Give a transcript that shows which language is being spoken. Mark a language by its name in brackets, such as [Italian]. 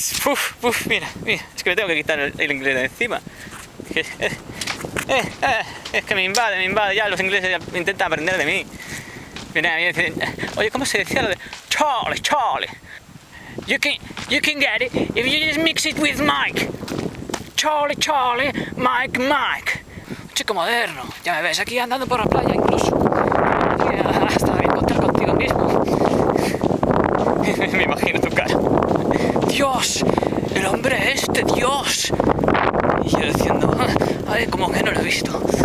[Spanish] Uf, uf, mira. Es que me tengo que quitar el inglés de encima. Es que me invade. Ya los ingleses ya intentan aprender de mí. Mira, me dicen, oye, ¿cómo se decía lo de Charlie, Charlie? [English] You can get it if you just mix it with Mike. Charlie, Charlie, Mike, Mike. [Spanish] Un chico moderno, ya me ves aquí andando por la playa incluso. Yeah, hasta de encontrar contigo mismo. Me imagino tu cara. Dios, el hombre este, Dios. Y yo diciendo, ay, como que no lo he visto.